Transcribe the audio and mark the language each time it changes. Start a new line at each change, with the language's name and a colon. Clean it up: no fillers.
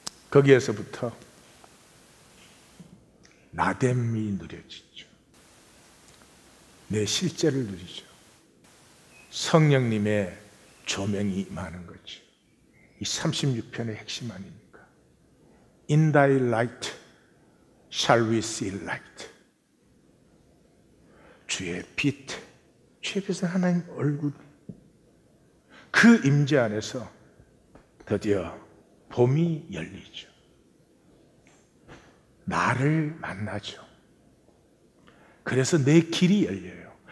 Korean: 거기에서부터 나됨이 누려지죠. 내 실제를 누리죠. 성령님의 조명이 많은 거죠. 이 36편의 핵심 아닙니까?
English: In thy light shall we see light.
Korean: 주의 빛, 주의 빛은 하나님 얼굴. 그 임재 안에서 드디어 봄이 열리죠. 나를 만나죠. 그래서 내 길이 열려요.